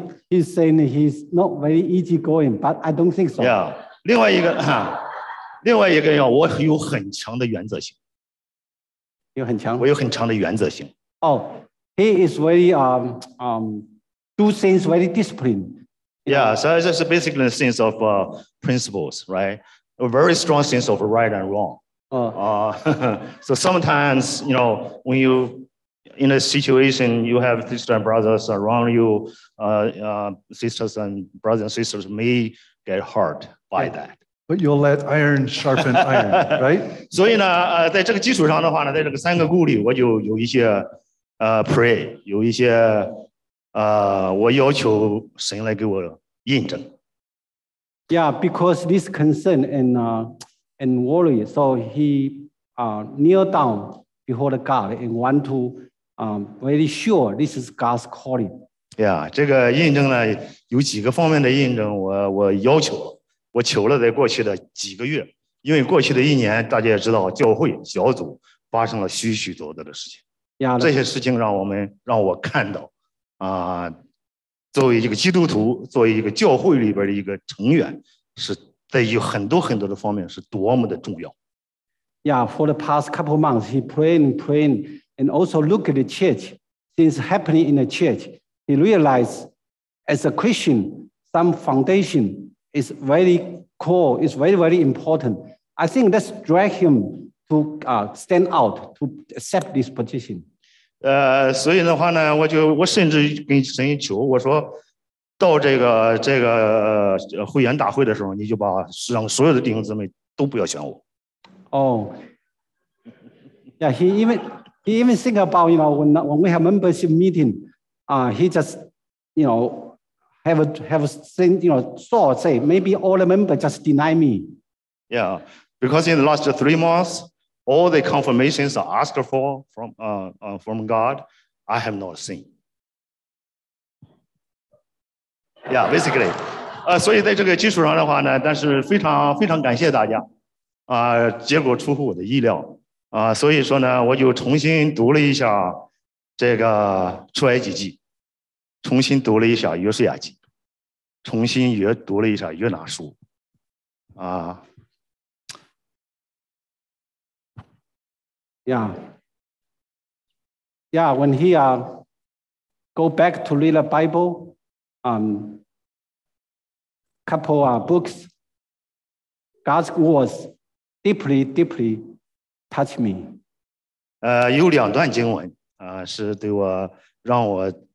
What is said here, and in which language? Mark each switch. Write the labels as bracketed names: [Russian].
[English] He's saying he's not very easygoing, but I don't think so. [Chinese] Yeah. 另外一个。另外一个要我有很强的原则性，有很强，我有很强的原则性。 [English] He is very do things very disciplined. Yeah, so that's basically the sense of principles, right? a very strong sense of right and wrong. So sometimes, you know, when you in a situation, you have sisters and brothers around you, sisters and brothers and sisters may get hurt by that. But you'll let iron sharpen iron, right? [Chinese] 所以呢，在这个基础上的话呢，在这个三个顾虑，我就有一些pray， 有一些我要求神来给我印证。 [English] Yeah, because this concern and worry, so he kneeled down before the God and want to very sure this is God's calling. [Chinese] Yeah, 这个印证呢，有几个方面的印证，我要求。我求了在过去的几个月，因为过去的一年，大家也知道，教会小组发生了许许多多的事情。 [English] Yeah, [Chinese] 这些事情让我看到，作为一个基督徒，作为一个教会里边的一个成员，是在于很多很多的方面是多么的重要。 [English] Yeah, for the past couple of months, he praying, and also look at the church. Things happening in the church, he realized as a Christian, some foundation. It's very core. It's very, very important. I think that's drag him to stand out to accept this position. [Chinese] 所以的话呢，我甚至跟神求，我说到这个会员大会的时候，你就把让所有的弟兄姊妹都不要选我。 [English] Oh, yeah. He even think about you know when we have membership meeting, he just you know. Have seen, you know, saw, say, maybe all the members just deny me. Yeah, because in the last 3 months, all the confirmations I asked for from God, I have not seen. Yeah, basically. [Chinese] 所以在这个基础上的话呢，但是非常非常感谢大家。结果出乎我的意料。所以说呢，我就重新读了一下这个出埃及记。重新读了一下约书亚记，重新也读了一下约拿书， [English] When he go back to read the Bible, couple of books, God's words deeply touch me. [Chinese] 有两段经文是对我让我。